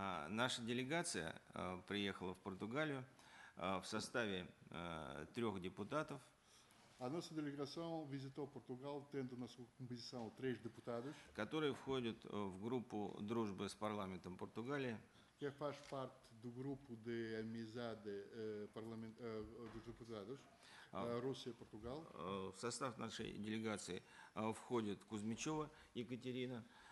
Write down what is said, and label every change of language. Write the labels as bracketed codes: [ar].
[pt] Nossa delegação [ru] приехала в Португалию в составе трех депутатов. [pt] A nossa delegação visitou Portugal tendo na sua composição três deputados, [ru] которые входят в группу дружбы с парламентом Португалии, [pt] que faz parte do grupo de amizade dos deputados da Rússia e Portugal. [ru] В состав нашей делегации входит Кузьмичева Екатерина,